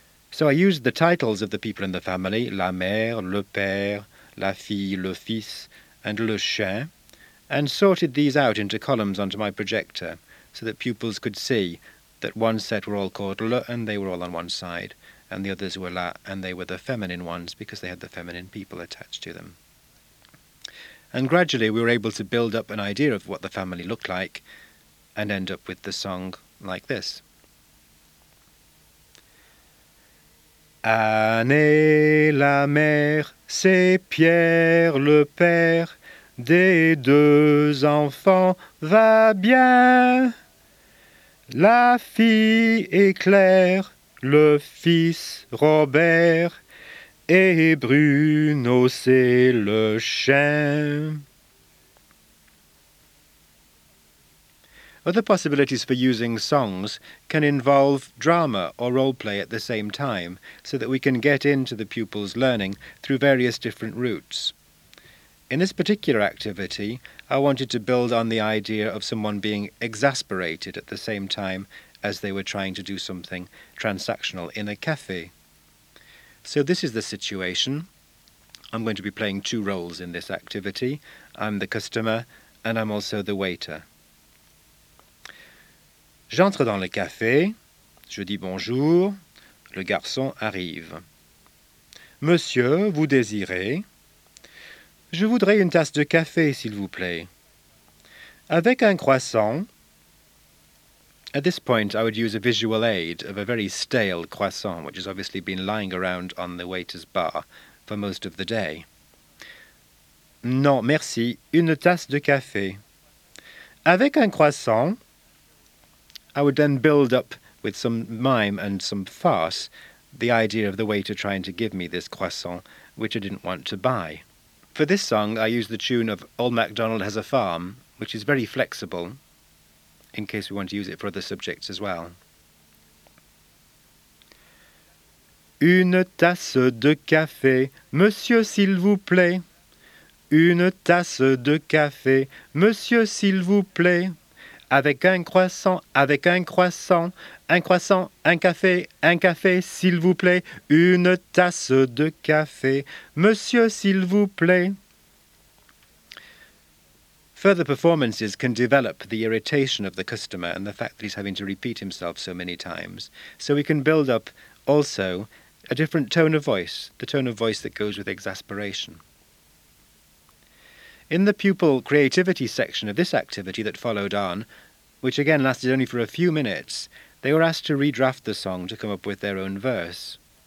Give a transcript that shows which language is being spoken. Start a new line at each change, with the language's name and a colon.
English: So I used the titles of the people in the family,
French: la mère, le père, la fille, le fils,
English: and le chien, and sorted these out into columns onto my projector so that pupils could see that one set were all called le and they were all on one side, and the others were la and they were the feminine ones because they had the feminine people attached to them. And gradually we were able to build up an idea of what the family looked like and end up with the song like this.
French: Année, la mère, c'est Pierre, le père, des deux enfants va bien. La fille est Claire, le fils Robert, et Bruno, c'est le chien.
English: Other possibilities for using songs can involve drama or role play at the same time, so that we can get into the pupils' learning through various different routes. In this particular activity, I wanted to build on the idea of someone being exasperated at the same time as they were trying to do something transactional in a cafe. So this is the situation. I'm going to be playing two roles in this activity. I'm the customer and I'm also the waiter.
French: J'entre dans le café, je dis bonjour, le garçon arrive. Monsieur, vous désirez? Je voudrais une tasse de café, s'il vous plaît. Avec un croissant.
English: At this point, I would use a visual aid of a very stale croissant, which has obviously been lying around on the waiter's bar for most of the day.
French: Non, merci, une tasse de café. Avec un croissant.
English: I would then build up with some mime and some farce the idea of the waiter trying to give me this croissant, which I didn't want to buy. For this song, I use the tune of Old MacDonald Has a Farm, which is very flexible, in case we want to use it for other subjects as well.
French: Une tasse de café, monsieur, s'il vous plaît. Une tasse de café, monsieur, s'il vous plaît. Avec un croissant, un café, s'il vous plaît, une tasse de café, monsieur, s'il vous plaît.
English: Further performances can develop the irritation of the customer and the fact that he's having to repeat himself so many times. So we can build up also a different tone of voice, the tone of voice that goes with exasperation. In the pupil creativity section of this activity that followed on, which again lasted only for a few minutes, they were asked to redraft the song to come up with their own verse.